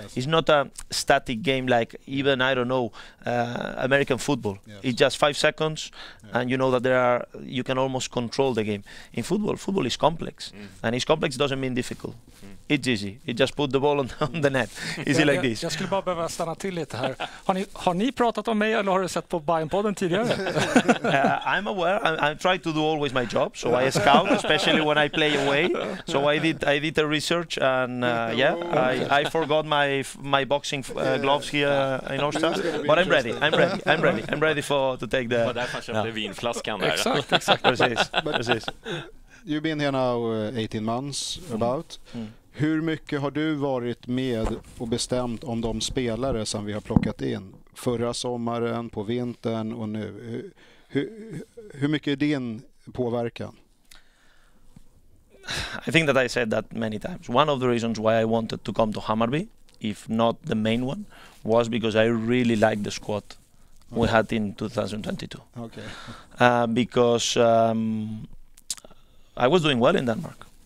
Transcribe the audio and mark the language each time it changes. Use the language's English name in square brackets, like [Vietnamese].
[English] It's not a static game like even, I don't know, American football. It's just 5 seconds, and you know that you can almost control the game. In football is complex, and it's complex doesn't mean difficult. It's easy. You just put the ball on the net. Easy like this. [Swedish] Jag skulle bara behöva stanna till lite här. Har ni pratat om mig, eller har du sett på Bajenpodden tidigare? [English] I'm aware. I try to do always my job. So I scout, especially when I play away. So I did a research, and I forgot my boxing gloves here in Austria. But I'm ready. I'm ready to take the... [Swedish] Därför köpte vinflaskan där. Exakt. Precis. [English] You've been here now 18 months, about. [Swedish] Hur mycket har du varit med och bestämt om de spelare som vi har plockat in förra sommaren, på vintern och nu? Hur mycket är din påverkan? [English] I think that I said that many times. One of the reasons why I wanted to come to Hammarby, if not the main one, was because I really liked the squad we had in 2022. Okay. Because I was doing well in Denmark.